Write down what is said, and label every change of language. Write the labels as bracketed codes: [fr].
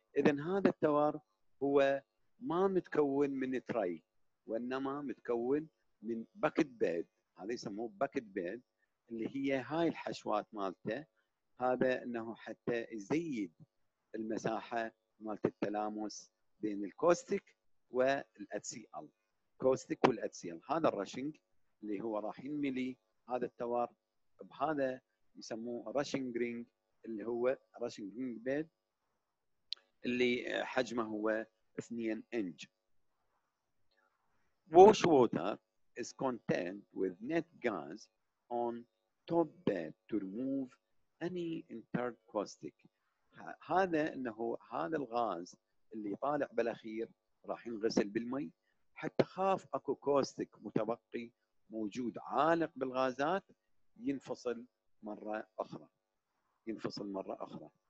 [ar] اذا هذا التوار هو ما متكون من تري، وانما متكون من باكت بيد، هذا يسموه باكت بيد، اللي هي هاي الحشوات مالته، هذا انه حتى يزيد المساحه مالت التلامس بين الكوستيك والاتسيال، كوستيك والاتسيال. هذا الراشنج اللي هو راح يملي هذا التوار بهذا يسموه راشنج رينج، اللي هو راشنج رينج بيد اللي حجمه هو 2 انش. [en] Wash water is contained with net gas on top bed to remove any interred caustic. [ar] هذا انه هذا الغاز اللي طالع بالاخير راح ينغسل بالمي، حتى خاف اكو كوستيك متبقي موجود عالق بالغازات ينفصل مره اخرى، ينفصل مره اخرى.